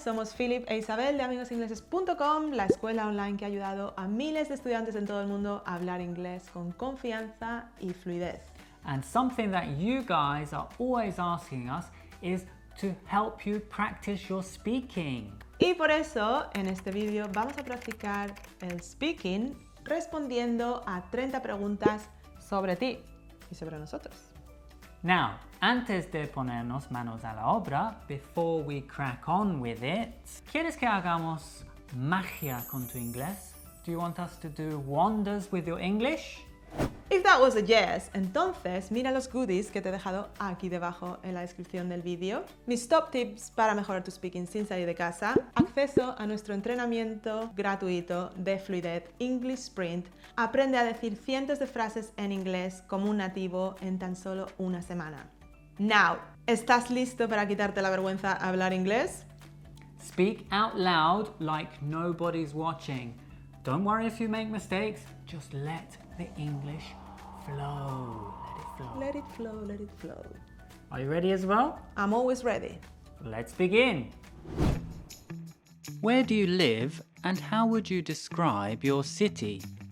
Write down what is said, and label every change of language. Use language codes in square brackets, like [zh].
[es] Somos Philip e Isabel de amigosingleses.com, la escuela online que ha ayudado a miles de estudiantes en todo el mundo a hablar inglés con confianza y fluidez. [en] And something that you guys are always asking us is to help you practice your speaking. [es] Y por eso, en este vídeo vamos a practicar el speaking respondiendo a 30 preguntas sobre ti y sobre nosotros. Now, antes de ponernos manos a la obra, [en] before we crack on with it, [es] ¿quieres que hagamos magia con tu inglés? [en] Do you want us to do wonders with your English? If that was a yes, [es] entonces mira los goodies que te he dejado aquí debajo en la descripción del vídeo. Mis top tips para mejorar tu speaking sin salir de casa. Acceso a nuestro entrenamiento gratuito de fluidez English Sprint. Aprende a decir cientos de frases en inglés como un nativo en tan solo una semana. Now, ¿estás listo para quitarte la vergüenza a hablar inglés? [en] Speak out loud like nobody's watching. Don't worry if you make mistakes, just let the English flow. Let it flow. Let it flow, let it flow. Are you ready as well? I'm always ready. Let's begin. Where do you live and how would you describe your city?